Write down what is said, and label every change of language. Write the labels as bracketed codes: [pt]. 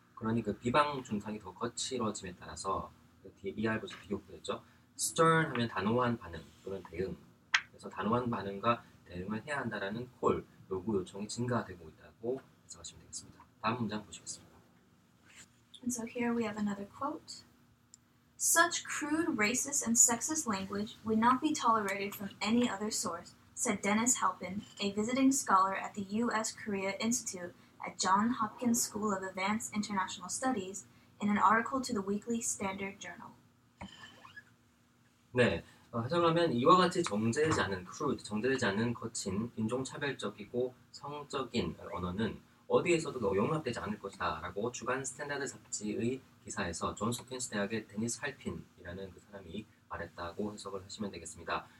[ko] 그러니 그 비방, 중상이 더 거칠어짐에 따라서 그 뒤에 이하에서 비교했죠. stern 하면 단호한 반응 또는 대응. 그래서 단호한 반응과 대응을 해야 한다라는 콜, 요구 요청이 증가되고 있다고 해석하시면 되겠습니다. 다음 문장 보시겠습니다. [en] And so here we have another quote. Such crude, racist, and sexist language would not be tolerated from any other source, said Dennis Halpin, a visiting scholar at the U.S.-Korea Institute at John Hopkins School of Advanced International Studies in an article to the Weekly Standard Journal. [ko] 네, 해석하면 이와 같이 정제되지 않은 crude, 정제되지 않은 거친 인종차별적이고 성적인 언어는 어디에서도 용납되지 않을 것이다 라고 주간 스탠다드 잡지의 기사에서 존스 홉킨스 대학의 데니스 할핀이라는 그 사람이 말했다고 해석을 하시면 되겠습니다.